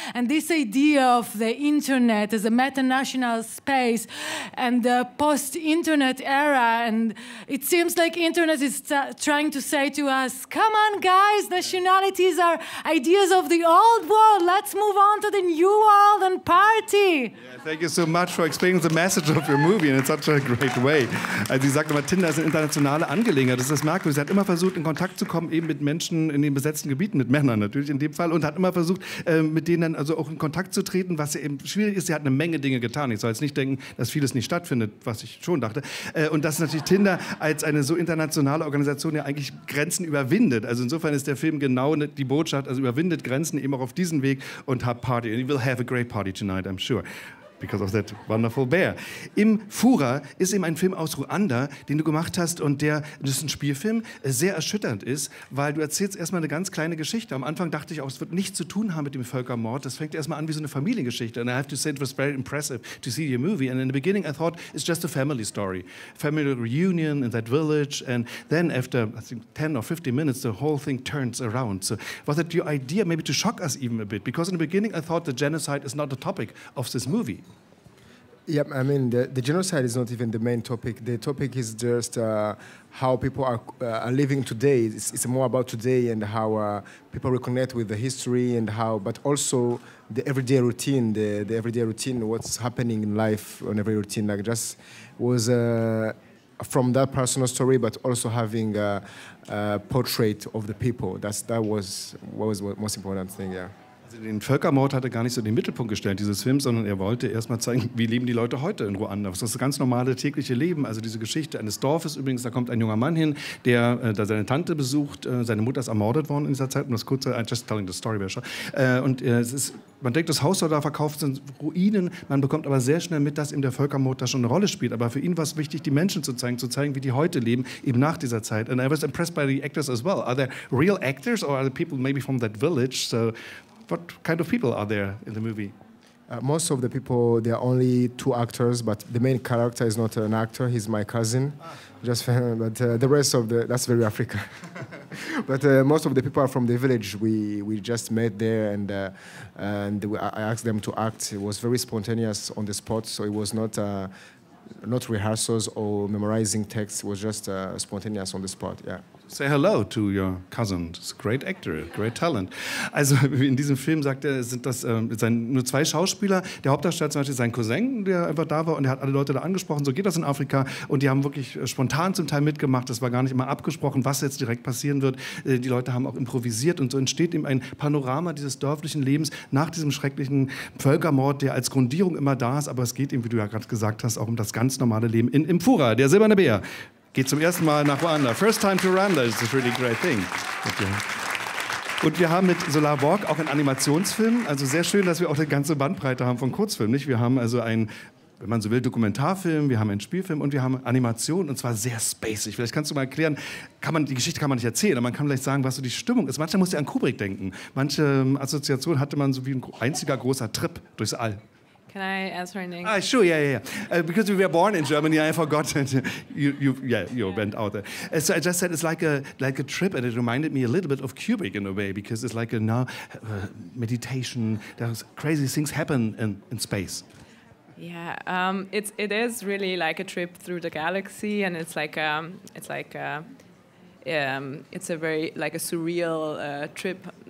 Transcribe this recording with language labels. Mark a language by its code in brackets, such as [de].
[en] And this idea of the internet as a meta-national space and the post-internet era, and it seems like internet is trying to say to us, come on, guys, nationalities are ideas of the old world. Let's move on to the new world and party. Yeah, thank you so much for explaining the message of your movie in such a great way. [de] Also sie sagt immer, Tinder ist eine internationale Angelegenheit. Das ist merkwürdig. Sie hat immer versucht, in Kontakt zu kommen, eben mit Menschen in den besetzten Gebieten, mit Männern natürlich in dem Fall, und hat immer versucht, mit denen dann also auch in Kontakt zu treten, was eben schwierig ist. Sie hat eine Menge Dinge getan. Ich soll jetzt nicht denken, dass vieles nicht stattfindet, was ich schon dachte. Und dass natürlich Tinder als eine so internationale Organisation ja eigentlich Grenzen über überwindet. Also insofern ist der Film genau die Botschaft, also überwindet Grenzen eben auch auf diesem Weg und hat Party. [en] And you will have a great party tonight, I'm sure, because of that wonderful bear. [de] Imfura ist eben ein Film aus Ruanda, den du gemacht hast und der, das ist ein Spielfilm, sehr erschütternd ist, weil du erzählst erstmal eine ganz kleine Geschichte. Am Anfang dachte ich auch, es wird nichts zu tun haben mit dem Völkermord. Das fängt erstmal an wie so eine Familiengeschichte. [en] And I have to say, it was very impressive to see your movie. And in the beginning I thought, it's just a family story. Family reunion in that village. And then after, I think, 10 or 15 minutes, the whole thing turns around. So was it your idea maybe to shock us even a bit? Because in the beginning I thought the genocide is not the topic of this movie. Yeah, I mean, the genocide is not even the main topic. The topic is just how people are living today. It's more about today and how people reconnect with the history and how, but also the everyday routine, the everyday routine, what's happening in life on every routine. Like, just was from that personal story, but also having a portrait of the people. That was what was the most important thing, yeah. [de] Also den Völkermord hat er gar nicht so in den Mittelpunkt gestellt, dieses Film, sondern er wollte erst mal zeigen, wie leben die Leute heute in Ruanda. Das ist das ganz normale tägliche Leben. Also diese Geschichte eines Dorfes übrigens, da kommt ein junger Mann hin, der da seine Tante besucht. Seine Mutter ist ermordet worden in dieser Zeit. Um das kurze, [en] I'm just telling the story, [de] wäre schon. Und es ist, man denkt, das Haus soll da verkauft, sind Ruinen. Man bekommt aber sehr schnell mit, dass eben der Völkermord da schon eine Rolle spielt. Aber für ihn war es wichtig, die Menschen zu zeigen, wie die heute leben, eben nach dieser Zeit. [en] And I was impressed by the actors as well. Are they real actors or are they people maybe from that village? So, what kind of people are there in the movie? Most of the people, they are only two actors, but the main character is not an actor. He's my cousin. Just for him, but the rest of the, that's very Africa. But most of the people are from the village. We just met there, and I asked them to act. It was very spontaneous on the spot, so it was not not rehearsals or memorizing texts. It was just spontaneous on the spot. Yeah. Say hello to your cousin. He's a great actor, great talent. [de] Also in diesem Film sagt er, sind das nur zwei Schauspieler. Der Hauptdarsteller zum Beispiel ist sein Cousin, der einfach da war und der hat alle Leute da angesprochen. So geht das in Afrika und die haben wirklich spontan zum Teil mitgemacht. Das war gar nicht immer abgesprochen, was jetzt direkt passieren wird. Die Leute haben auch improvisiert und so entsteht eben ein Panorama dieses dörflichen Lebens nach diesem schrecklichen Völkermord, der als Grundierung immer da ist. Aber es geht eben, wie du ja gerade gesagt hast, auch um das ganz normale Leben in Imfura, der silberne Bär. Geht zum ersten Mal nach Ruanda. [en] First time to Rwanda is a really great thing. Okay. [de] Und wir haben mit Solar Walk auch einen Animationsfilm. Also sehr schön, dass wir auch eine ganze Bandbreite haben von Kurzfilmen. Nicht? Wir haben also einen, wenn man so will, Dokumentarfilm, wir haben einen Spielfilm und wir haben Animation und zwar sehr spacey. Vielleicht kannst du mal erklären, kann man, die Geschichte kann man nicht erzählen, aber man kann vielleicht sagen, was so die Stimmung ist. Manchmal muss ich an Kubrick denken. Manche Assoziationen hatte man so wie ein einziger großer Trip durchs All. [en] Can I answer in English? Sure, yeah. Because we were born in Germany, I forgot that you went out there. So I just said it's like a trip, and it reminded me a little bit of Kubrick in a way, because it's like a now meditation. There's crazy things happen in space. Yeah, it is really like a trip through the galaxy, and it's a very surreal trip.